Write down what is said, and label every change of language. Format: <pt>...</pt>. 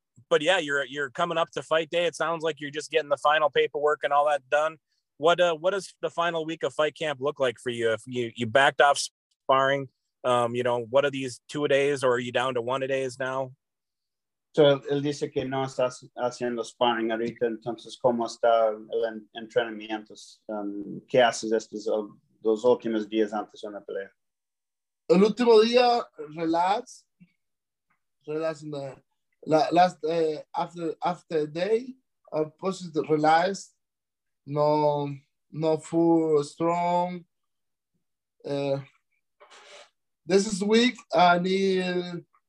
<en>But yeah, you're coming up to fight day. It sounds like you're just getting the final paperwork and all that done. What does the final week of fight camp look like for you? If you backed off sparring, you know, what are these 2 days, or are you down to 1 a days now?</en> <es>So, él dice que no está haciendo sparring ahorita, entonces, ¿cómo está el entrenamiento? ¿Qué haces estos dos últimos días antes de una pelea? El último día,</es> <en>relax in the last after day, I'm supposed to relax, no full strong. This is weak, I need.</en>